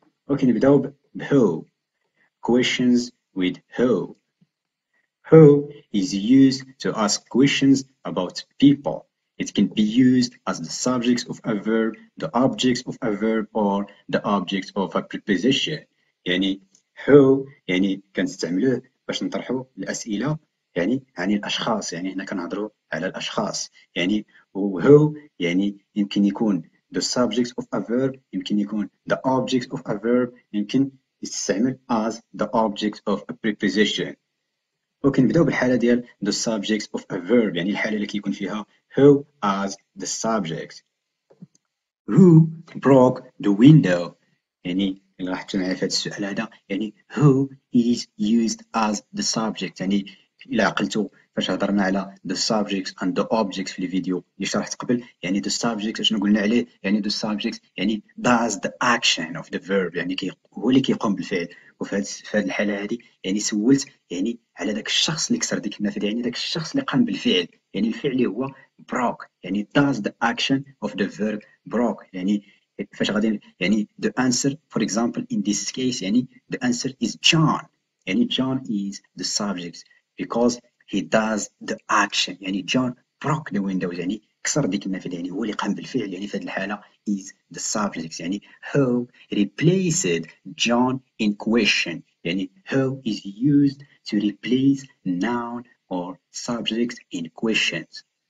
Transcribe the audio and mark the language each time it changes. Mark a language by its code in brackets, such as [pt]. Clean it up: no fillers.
[ar] اوكي نبداو بwho. [en] Questions with who. Who is used to ask questions about people. It can be used as the subject of a verb, the object of a verb, or the object of a preposition. [ar] يعني who يعني كنستعملوه باش نطرحوا الأسئلة يعني عن الأشخاص. يعني هنا كنهضروا على الأشخاص. [en] يعني who [ar] يعني يمكن يكون [en] the subject of a verb, يمكن يكون the object of a verb, [ar] يمكن يستعمل [en] as the object of a preposition. [ar] اوكي نبداو بالحالة ديال [en] the subject of a verb. [ar] يعني الحالة اللي كيكون فيها who [en] as the subject. Who broke the window. [ar] يعني اللي راح تكون عارف هذا السؤال هذا يعني [en] who is used as the subject. [ar] يعني الى عقلتو فاش هضرنا على [en] the subject and the object [ar] في الفيديو اللي شرحت قبل يعني the subject شنو قلنا عليه. [en] يعني the subject يعني does the action of the verb. [ar] يعني هو اللي كيقوم بالفعل. وفي هذه الحالة هذه يعني سولت يعني على ذاك الشخص اللي كسر ديك النافذة. يعني ذاك الشخص اللي قام بالفعل. يعني الفعل اللي هو broke. [en] يعني does the action of the verb broke. [ar] يعني فاش غادي يعني [en] the answer for example in this case يعني the answer is John. يعني John is the subject because he does the action. [ar] يعني [en] John broke the windows. [ar] يعني كسر ديك النافذة. يعني هو اللي قام بالفعل. يعني في هذه الحالة [en] is the subject. يعني who replaced John in question. يعني who is used to replace noun or subject in questions.